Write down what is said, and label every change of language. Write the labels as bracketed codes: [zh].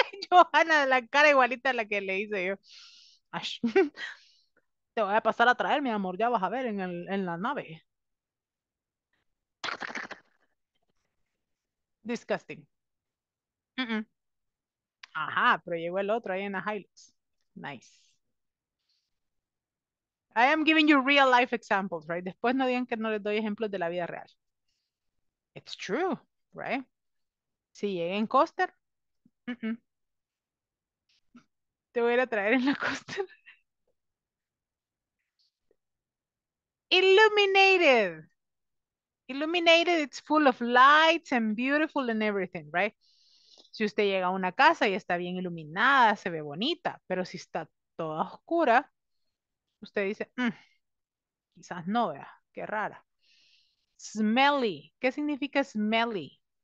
[es] Johanna, la cara igualita a la que le hice yo. Ash. Te voy a pasar a traer, mi amor, ya vas a ver en la nave. Disgusting. Mm-mm. Ajá, pero llegó el otro ahí en la Hilux. [en] Nice. I am giving you real life examples, right? [es] Después no digan que no les doy ejemplos de la vida real. [en] It's true, right? [es] Si llegué en coaster, mm-mm. Te voy a ir a traer en la coaster. [en] Illuminated. Illuminated, it's full of lights and beautiful and everything, right? [es] Si usted llega a una casa y está bien iluminada, se ve bonita, pero si está toda oscura, usted dice, quizás no, vea, qué rara. Smelly, ¿qué significa smelly?